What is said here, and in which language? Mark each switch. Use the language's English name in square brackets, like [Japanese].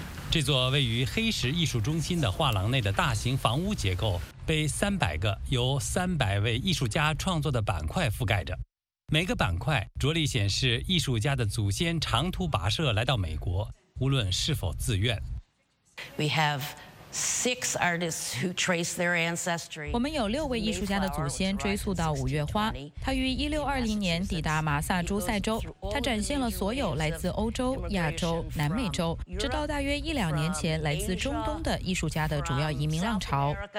[Chinese] 这座位于黑石艺术中心的画廊内的大型房屋结构被300个由300位艺术家创作的板块覆盖着，每个板块着力显示艺术家的祖先长途跋涉来到美国，无论是否自愿。 [English] We have six artists who trace their ancestry. [Chinese] 我们有6位艺术家的祖先追溯到五月花，他于1620年抵达马萨诸塞州，他展现了所有来自欧洲、亚洲、南美洲，直到大约1-2年前来自中东的艺术家的主要移民浪潮。